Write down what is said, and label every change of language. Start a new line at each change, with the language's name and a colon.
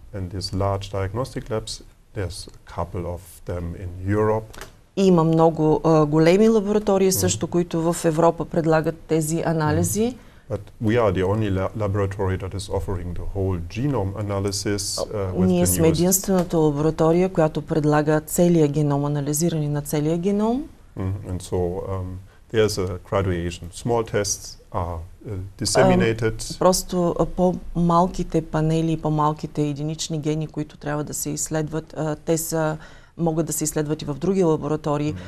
English: And these large diagnostic labs, there's a couple of them in Europe.
Bulgarian: И има много големи лаборатории също, които в Европа предлагат тези анализи.
English: But we are the only laboratory that is offering the whole genome analysis
Bulgarian: Ние сме единствената лаборатория, която предлага целия геном, анализиране на целия геном.
English: And so there's a graduation. Small tests are disseminated.
Bulgarian: Просто по-малките панели, по-малките единични гени, които трябва да се изследват, те са могат да се изследват и в други лаборатории.